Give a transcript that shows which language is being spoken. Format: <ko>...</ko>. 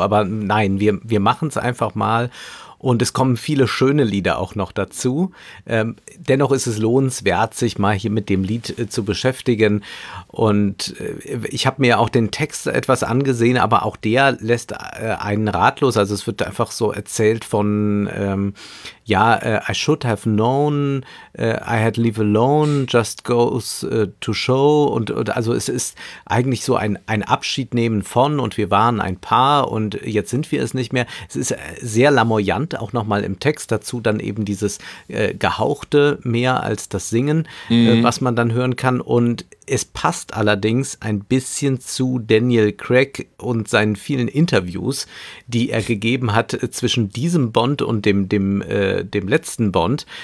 <de>Aber nein, wir machen es einfach mal. Und es kommen viele schöne Lieder auch noch dazu. Dennoch ist es lohnenswert, sich mal hier mit dem Lied zu beschäftigen. Und ich habe mir auch den Text etwas angesehen, aber auch der lässt einen ratlos. Also es wird einfach so erzählt von,</de> <en>I should have known, I had to leave alone, just goes to show.</en> <de>Und also es ist eigentlich so ein Abschied nehmen von und wir waren ein Paar und jetzt sind wir es nicht mehr. Es ist sehr lamoyant. Auch nochmal im Text dazu dann eben dieses Gehauchte mehr als das Singen, was man dann hören kann. Und es passt allerdings ein bisschen zu Daniel Craig und seinen vielen Interviews, die er gegeben hat zwischen diesem Bond und dem letzten Bond.</de>